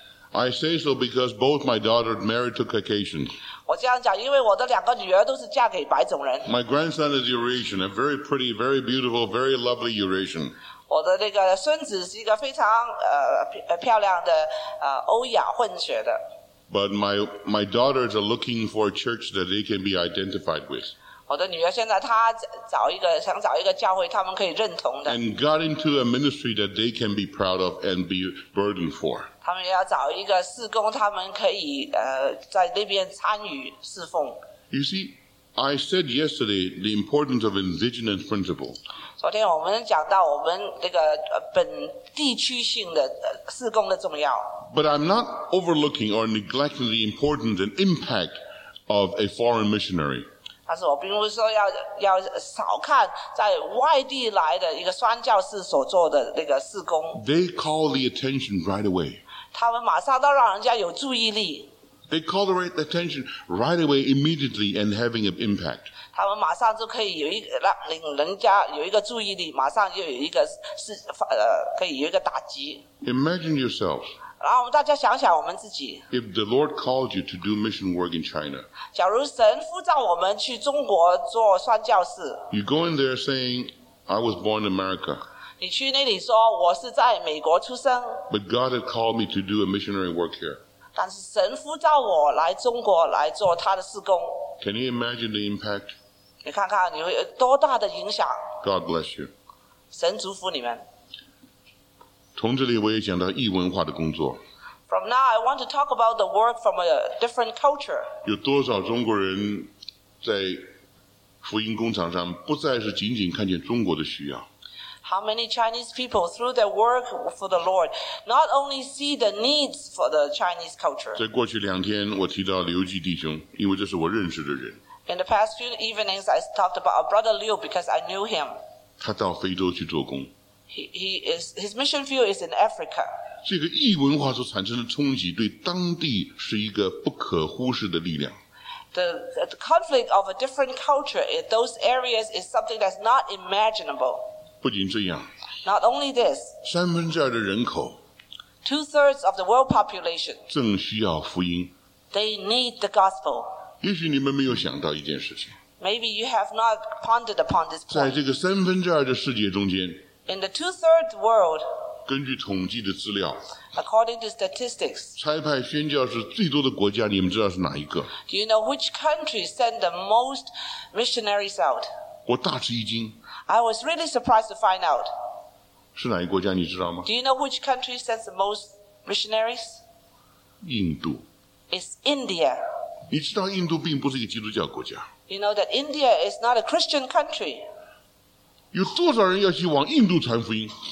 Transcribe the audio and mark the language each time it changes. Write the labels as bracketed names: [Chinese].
[English] I say so because both my daughter married to Caucasians. [Chinese] 我这样讲，因为我的两个女儿都是嫁给白种人。 [English] My grandson is Eurasian, a very pretty, very beautiful, very lovely Eurasian. [Chinese] 我的那个孙子是一个非常漂亮的欧亚混血的。 [English] But my daughters are looking for a church that they can be identified with. [Chinese] 我的女儿现在她找一个想找一个教会他们可以认同的 [English] and got into a ministry that they can be proud of and be burdened for [Chinese] 他们要找一个事工他们可以在那边参与侍奉 [English] You see, I said yesterday the importance of indigenous principle [Chinese] 昨天我们讲到我们这个本地区性的事工的重要 [English] But I'm not overlooking or neglecting the importance and impact of a foreign missionary [Chinese] 但是我并不是说 要少看在外地来的一个双教士所做的那个事工。 [English] They call the attention right away. [Chinese] 他们马上都让人家有注意力。 [English] They call the right attention right away, immediately, and having an impact. [Chinese] 他们马上就可以有一个让领人家有一个注意力，马上就有一个是可以有一个打击。 [English] Imagine yourselves. [Chinese] 然后我们大家想想我们自己。 [English] If the Lord called you to do mission work in China, [Chinese] 假如神呼召我们去中国做宣教士。 [English] You go in there saying, "I was born in America." [Chinese] 你去那里说我是在美国出生。 [English] But God had called me to do a missionary work here. [Chinese] 但是神呼召我来中国来做他的事工。 [English] Can you imagine the impact? [Chinese] 你看看你会有多大的影响。 [English] God bless you. [Chinese] 神祝福你们。从这里我也讲到异文化的工作。 [English] From now, I want to talk about the work from a different culture. [Chinese] 有多少中国人在福音工厂上不再是仅仅看见中国的需要 [English] ？How many Chinese people through their work for the Lord not only see the needs for the Chinese culture? [Chinese] 在过去两天，我提到刘季弟兄，因为这是我认识的人。 [English] In the past few evenings, I talked about our brother Liu because I knew him. [Chinese] 他到非洲去做工。 [English] His mission field is in Africa. [Chinese] 这个异文化所产生的冲击对当地是一个不可忽视的力量。 [English] the conflict of a different culture in those areas is something that's not imaginable. [Chinese] 不仅这样, [English] not only this, [Chinese] 三分之二的人口, [English] two-thirds of the world population, [Chinese] 正需要福音, [English] they need the gospel. [Chinese] 也许你们没有想到一件事情, [English] maybe you have not pondered upon this point. [Chinese] 在这个三分之二的世界中间, [English] in the two-thirds world, [Chinese] 根据统计的资料 [English] According to statistics, [Chinese] 差派宣教士最多的国家你们知道是哪一个 [English] Do you know which country sent the most missionaries out? [Chinese] 我大吃一惊 [English] I was really surprised to find out [Chinese] 是哪一个国家你知道吗 [English] Do you know which country sent the most missionaries? [Chinese] 印度 [English] It's India [Chinese] 你知道印度并不是一个基督教国家 [English] You know that India is not a Christian country [Chinese] 有多少人要去往印度传福音